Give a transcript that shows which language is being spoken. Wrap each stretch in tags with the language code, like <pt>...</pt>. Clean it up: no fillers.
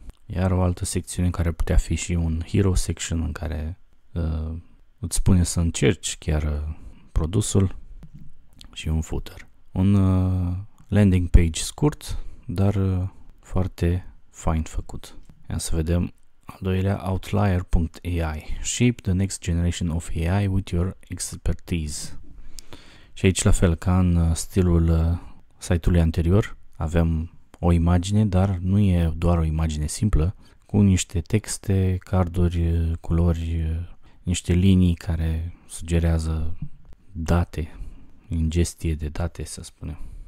<ro>Iar o altă secțiune care putea fi și un hero section în care îți spune să încerci chiar produsul și un footer. Un landing page scurt, dar foarte fain făcut. Ia să vedem al doilea, outlier.ai.</ro> <en>Shape the next generation of AI with your expertise.</en> <ro>Și aici, la fel ca în stilul site-ului anterior, avem o imagine, dar nu e doar o imagine simplă, cu niște texte, carduri, culori, niște linii care sugerează date, ingestie de date, să spunem.</ro>